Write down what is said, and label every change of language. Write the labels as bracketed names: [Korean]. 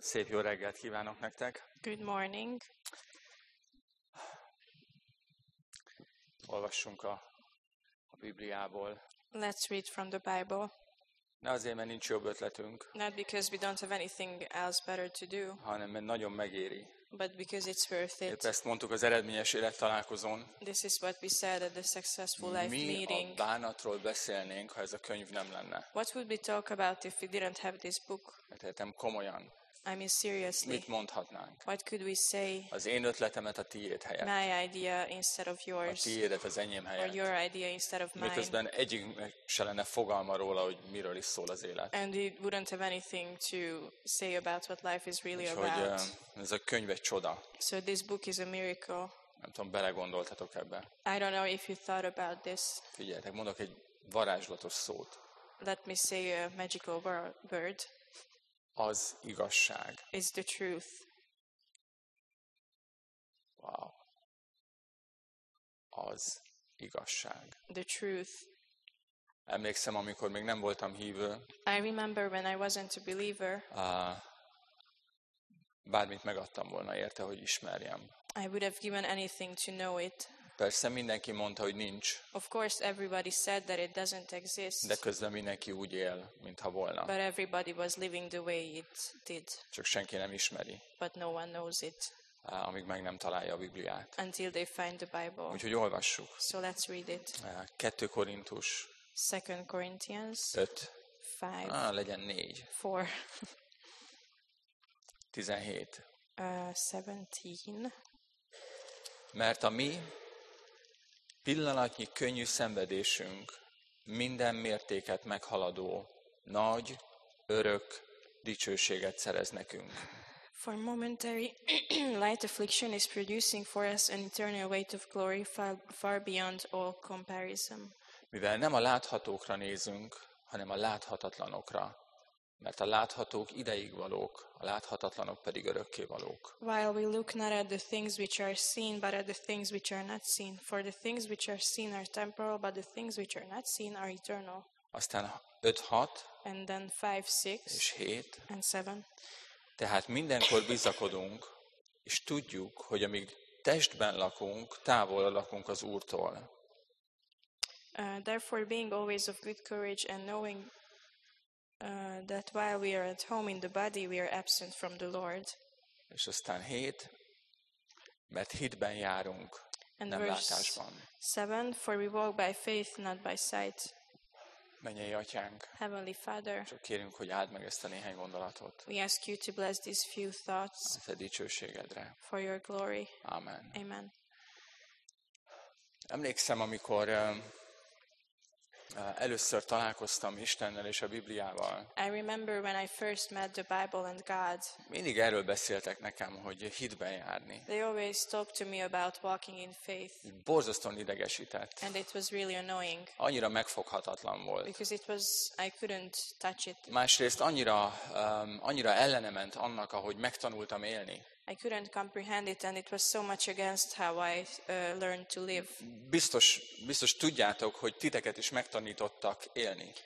[Hungarian] Szép jó reggelt kívánok nektek! [English] Good morning! [Hungarian] Olvassunk a Bibliából. [English] Let's read from the Bible. [Hungarian] Ne azért, mert nincs jobb ötletünk. [English] Not because we don't have anything else better to do. [Hungarian] Hanem mert nagyon megéri. [English] But because it's worth it. [Hungarian] Épp ezt mondtuk az eredményes élet találkozón. [English] This is what we said at the successful life [Hungarian] Mi [English] meeting. [Hungarian] Mi a bánatról beszélnénk, ha ez a könyv nem lenne? [English] What would we talk about if we didn't have this book? [Hungarian] Tehetem komolyan. [English] I mean seriously. [Hungarian] Mit mondhatnánk? [English] What could we say? [Hungarian] Az én ötletemet a tiéd helyett. [English] My idea instead of yours. [Hungarian] A tiédet az enyém helyett. [English] Or your idea instead of mine. [Hungarian] Miközben egyik se lenne fogalma róla, hogy miről is szól az élet. [English] And it wouldn't have anything to say about what life is really about. [Hungarian] Úgyhogy ez a könyv egy csoda. [English] So this book is a miracle. [Hungarian] Nem tudom, belegondoltatok ebbe. [English] I don't know if you thought about this. [Hungarian] Figyeljetek, mondok egy varázslatos szót. [English] Let me say a magical word. [Hungarian] Az igazság. [English] Is the truth. [Hungarian] Wow. Az igazság. [English] The truth. [Hungarian] Emlékszem, amikor még nem voltam hívő. [English] I remember when I wasn't a believer. [Hungarian] Bármit megadtam volna érte, hogy ismerjem. [English] I would have given anything to know it. [Hungarian] Persze mindenki mondta, hogy nincs. [English] Of course everybody said that it doesn't exist. [Hungarian] De közben mindenki úgy él, mintha volna. [English] But everybody was living the way it did. [Hungarian] Csak senki nem ismeri. [English] But no one knows it. [Hungarian] Amíg meg nem találja a Bibliát. [English] Until they find the Bible. [Hungarian] Úgyhogy olvassuk. [English] So let's read it. [Hungarian] 2 Korintus. [English] 2 Corinthians. [Hungarian] 5. [English] 5. [Hungarian] Legyen 4. [English] 4. [Hungarian] 17. [English] 17. [Hungarian] Mert a mi pillanatnyi könnyű szenvedésünk minden mértéket meghaladó nagy, örök dicsőséget szerez nekünk. [English] For momentary light affliction is producing for us an eternal weight of glory far beyond all comparison. [Hungarian] Mivel nem a láthatókra nézünk, hanem a láthatatlanokra. Mert a láthatók ideig valók, a láthatatlanok pedig örökké valók. [English] While we look not at the things which are seen, but at the things which are not seen. For the things which are seen are temporal, but the things which are not seen are eternal. [Hungarian] Aztán 5-6. [English] And then 5-6. [Hungarian] És 7. [English] And 7. [Hungarian] Tehát mindenkor bizakodunk, és tudjuk, hogy amíg testben lakunk, távol lakunk az Úrtól. [English] Therefore, being always of good courage and knowing that while we are at home in the body, we are absent from the Lord. [Hungarian] És aztán 7, mert hitben járunk, [English] and [Hungarian] nem látásban. [English] 7, for we walk by faith, not by sight. [Hungarian] Mennyei Atyánk, [English] Heavenly Father, [Hungarian] csak kérünk, hogy áld meg ezt a néhány gondolatot. [English] We ask you to bless these few thoughts. [Hungarian] A te dicsőségedre. [English] For your glory. [Hungarian] Amen. [English] Amen. [Hungarian] Emlékszem, amikor először találkoztam Istennel és a Bibliával. [English] I remember when I first met the Bible and God. [Hungarian] Mindig erről beszéltek nekem, hogy hitben járni. [English] They always talked to me about walking in faith. [Hungarian] Borzasztóan idegesített. [English] And it was really annoying. [Hungarian] Annyira megfoghatatlan volt. [English] Because it was, I couldn't touch it. [Hungarian] Másrészt annyira ellene ment annak, ahogy megtanultam élni. [English] I couldn't comprehend it, and it was so much against how I learned to live. [Hungarian] Biztos tudjátok, hogy titeket is megtanítottak élni.